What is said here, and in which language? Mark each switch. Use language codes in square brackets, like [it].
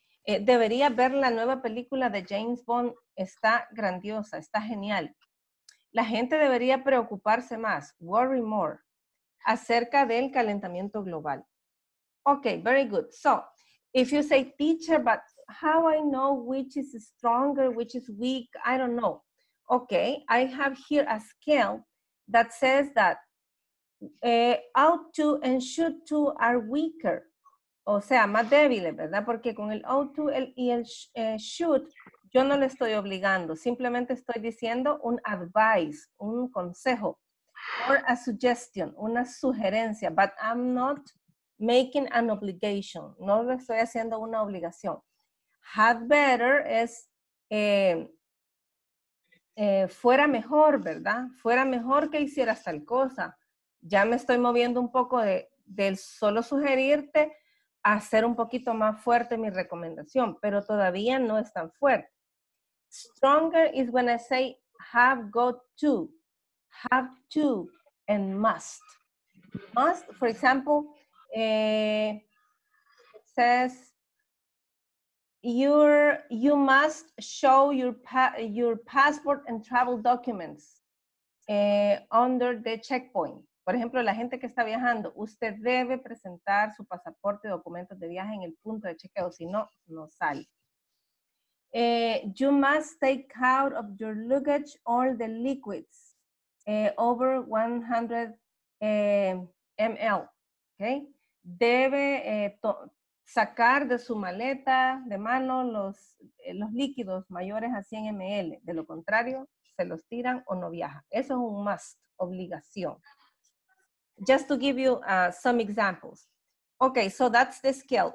[es] Debería ver la nueva película de James Bond. Está grandiosa, está genial. La gente debería preocuparse más, worry more, acerca del calentamiento global. [en] Okay, very good. So, if you say, teacher, but how I know which is stronger, which is weak, I don't know. Okay, I have here a scale that says that ought to and should to are weaker. [es] O sea, más débiles, ¿verdad? Porque con el ought to y el should, yo no le estoy obligando. Simplemente estoy diciendo un advice, un consejo. [en] Or a suggestion, una sugerencia. But I'm not making an obligation. [es] No le estoy haciendo una obligación. Had better es fuera mejor, ¿verdad? Fuera mejor que hicieras tal cosa. Ya me estoy moviendo un poco del solo sugerirte a hacer un poquito más fuerte mi recomendación, pero todavía no es tan fuerte. [en] Stronger is when I say have to, and must. Must, for example, it says, you must show your passport and travel documents under the checkpoint. [es] Por ejemplo, la gente que está viajando, usted debe presentar su pasaporte y documentos de viaje en el punto de chequeo, si no, no sale. [en] You must take out of your luggage all the liquids over 100 ml. Okay? [es] Debe sacar de su maleta de mano los líquidos mayores a 100 ml. De lo contrario, se los tiran o no viaja. Eso es un must, obligación. [en] Just to give you some examples. Okay, so that's the scale.